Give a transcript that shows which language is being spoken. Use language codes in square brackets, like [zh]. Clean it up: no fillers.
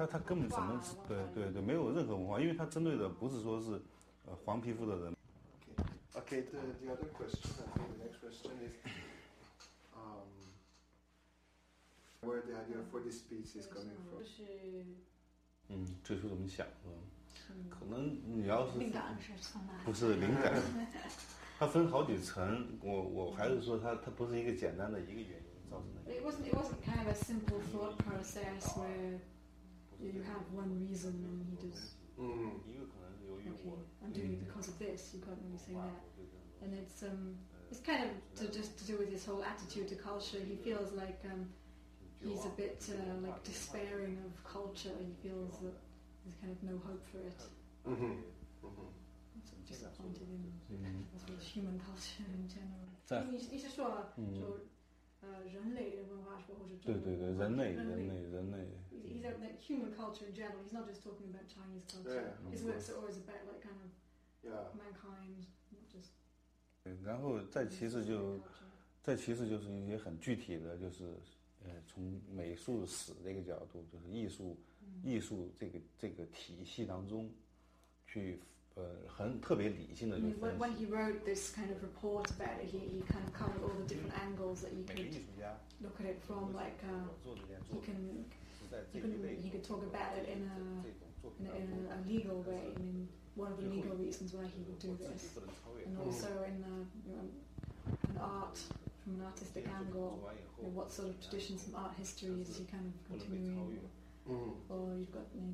[zh] 就意味着是比较重型的是吧？对，它根本怎么没有任何文化，因为它针对的不是说是黄皮肤的人。 [en] Okay, the other question, the next question is, where the idea for this piece is coming from? [zh] 最初怎么想的？可能你要是灵感是从哪？不是灵感。它分好几层，我还是说它不是一个简单的一个原因造成的。 [en] It wasn't kind of a simple thought process where you have one reason and he does. [zh] 一个可能是由于我。 [en] Okay, I'm doing it because of this. You can't really say that. And it's kind of to do with his whole attitude to culture. He feels like he's a bit like despairing of culture. He feels that there's kind of no hope for it. Disappointed in human culture in general. [zh] 你是说人类的文化是吧，或者对，人类。 [en] He's a like human culture in general. He's not just talking about Chinese culture. Yeah, his works are always about like kind of yeah. mankind, not just. [zh] 然后再其次就是一些很具体的，就是从美术史这个角度，就是艺术这个体系当中去。很特别理性的就是 [en] when he wrote this kind of report about it, he kind of covered all the different angles that you could look at it from, like he could talk about it in a legal way. I mean, one of the legal reasons why he would do this, and also in the, an art from an artistic angle, what sort of traditions from art history is he kind of continuing, or you've got